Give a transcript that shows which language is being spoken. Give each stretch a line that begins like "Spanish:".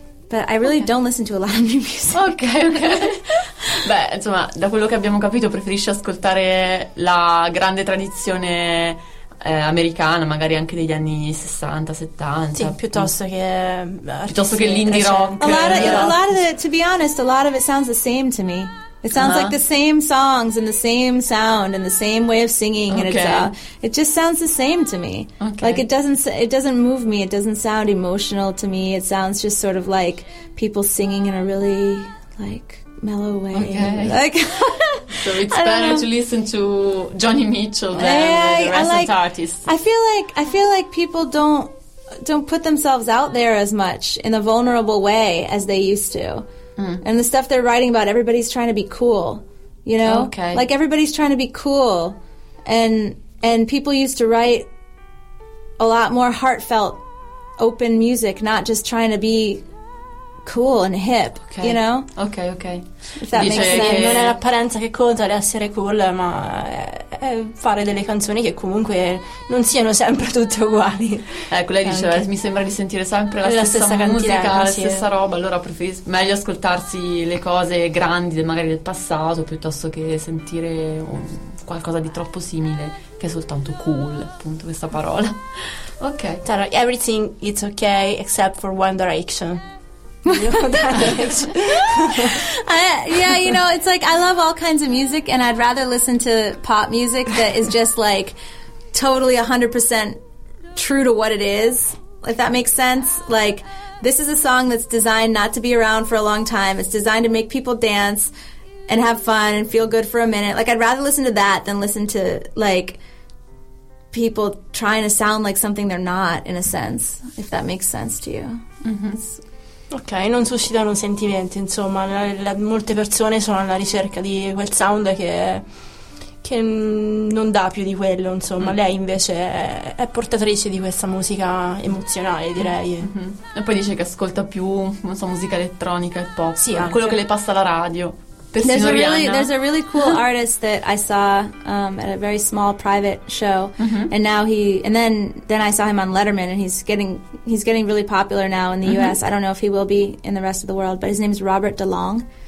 English: But I really don't listen to a lot of new music. Okay, okay.
Italian: Beh, insomma, da quello che abbiamo capito, preferisci ascoltare la grande tradizione americana, magari anche degli anni 60, 70. Sì, piuttosto che piuttosto che l'indie rock.
English: To be honest, a lot of it sounds the same to me. It sounds like the same songs and the same sound and the same way of singing, and it's it just sounds the same to me. Okay. Like it doesn't move me. It doesn't sound emotional to me. It sounds just sort of like people singing in a really like mellow way. Okay. Like, so it's better to listen to Joni Mitchell than the recent artists. I feel like people don't put themselves out there as much in a vulnerable way as they used to. And the stuff they're writing about, everybody's trying to be cool, you know? Okay. Like, everybody's trying to be cool. And people used to write a lot more heartfelt, open music, not just trying to be cool and hip, okay. You know? Okay, okay. If that makes sense.
Italian: Non è l'apparenza che conta di essere cool, ma fare delle canzoni che comunque non siano sempre tutte uguali. Ecco, lei diceva, mi sembra di sentire sempre la stessa roba, allora preferisco meglio ascoltarsi le cose grandi magari del passato piuttosto che sentire qualcosa di troppo simile che è soltanto cool, appunto questa parola. Ok.
English: Tara, everything is okay except for One Direction. Yeah, you know, it's like I love all kinds of music, and I'd rather listen to pop music that is just like totally 100% true to what it is, if that makes sense. Like, this is a song that's designed not to be around for a long time. It's designed to make people dance and have fun and feel good for a minute. Like, I'd rather listen to that than listen to like people trying to sound like something they're not, in a sense, if that makes sense to you. Mm-hmm.
Italian: Ok, non suscitano sentimenti, insomma, molte persone sono alla ricerca di quel sound che non dà più di quello, insomma, lei invece è portatrice di questa musica emozionale, direi. Mm-hmm. E poi dice che ascolta più, non so, musica elettronica e pop, sì, quello che le passa la radio.
English: There's a really cool artist that I saw at a very small private show, mm-hmm. and then I saw him on Letterman, and he's getting really popular now in the mm-hmm. U.S. I don't know if he will be in the rest of the world, but his name is Robert DeLong.